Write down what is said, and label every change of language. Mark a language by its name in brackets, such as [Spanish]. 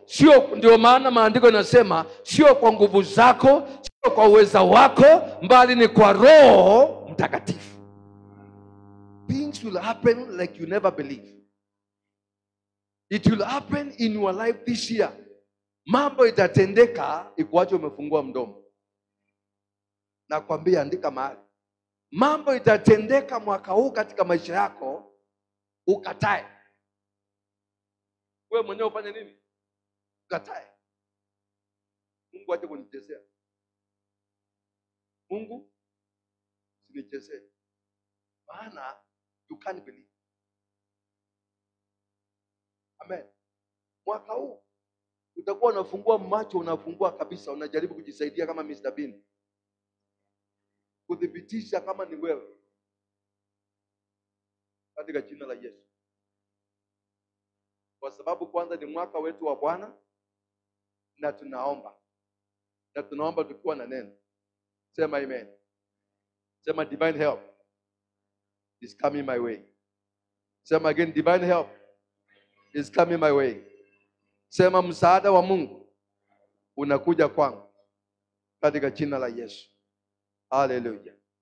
[Swahili] Sio ndio maana maandiko yanasema sio kwa nguvu zako, sio kwa uweza wako, bali ni kwa Roho Mtakatifu. [English] Things will happen like you never believe. It will happen in your life this year. [Swahili] Mambo itatendeka ikuacha umefungua mdomo. Nakwambia andika mahali. Mambo itatendeka mwaka huu katika maisha yako ukatae. Wewe mwenyewe ufanye nini? Ukatae. Mungu aje kunichezea. Mungu usinichezee. Maana [English] you can't believe. [Swahili] Amen. Mwaka huu utakuwa unafungua macho, unafungua kabisa, unajaribu kujisaidia kama Mr. Bean. Kudhibitisha kama ni wewe. Katika jina la Yesu. Kwa sababu kwanza ni mwaka wetu wa Bwana, na tunaomba. Na tunaomba tukiwa na neno. Sema amen. [English] Sema divine help is coming my way. Sema again, divine help is coming my way. [Swahili] Sema msaada wa Mungu unakuja kwangu katika jina la Yesu. Hallelujah.